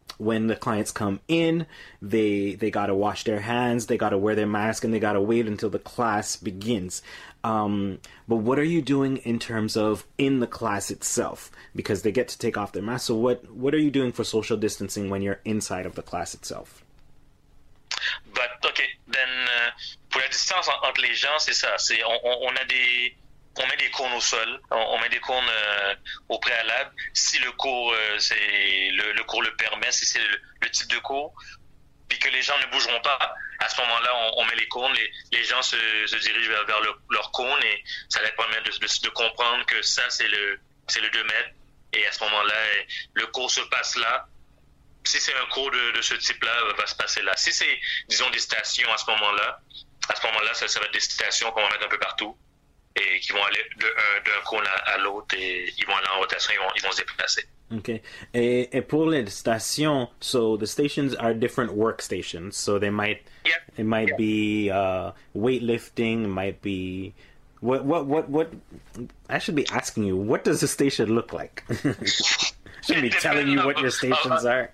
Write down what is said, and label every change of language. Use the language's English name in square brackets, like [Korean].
[English] when the clients come in, they gotta wash their hands, they gotta wear their mask, and they gotta wait until the class begins. But what are you doing in terms of in the class itself? Because they get to take off their mask. So what are you doing for social distancing when you're inside of the class itself? But okay, then [French] pour la distance entre les gens, c'est ça. C'est on met des cônes au sol, on met des cônes au préalable. Si le cours le cours le permet, si c'est le type de cours, puis que les gens ne bougeront pas, à ce moment-là, on met les cônes, les gens se dirigent vers leur cône, et ça leur permet de comprendre que ça, c'est le 2 mètres. Et à ce moment-là, le cours se passe là. Si c'est un cours de ce type-là, va se passer là. Si c'est, disons, des stations à ce moment-là, ça va être des stations qu'on va mettre un peu partout. Et qui vont aller d'un cône à l'autre, et ils vont aller en rotation, ils vont se déplacer. OK. Et pour les stations, [English] so the stations are different workstations, so they might be weightlifting, might be what I should be asking you, what does the station look like? I shouldn't be telling you what your stations are.